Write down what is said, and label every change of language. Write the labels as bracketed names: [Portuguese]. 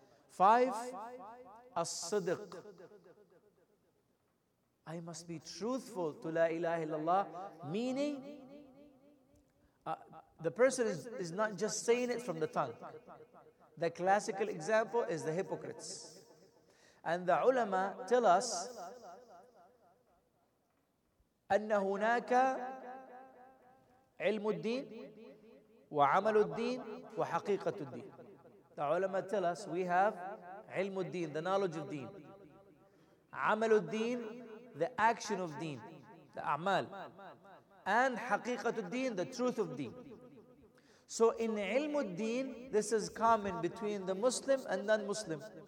[English] Five, as-sidq. I must be truthful to La ilaha illallah, meaning the person is not just saying it from the tongue. The classical example is the hypocrites. And the ulama tell us [Arabic] أن هناك علم الدين وعمل الدين وحقيقة الدين. [English] The ulama tell us we have [Arabic] علم الدين, [English] the knowledge of deen. [Arabic] عمل الدين, [English] the action of deen, the أعمال. And [Arabic] حقيقة الدين, [English] the truth of deen. So in [Arabic] علم الدين, [English] this is common between the Muslim and non-Muslim.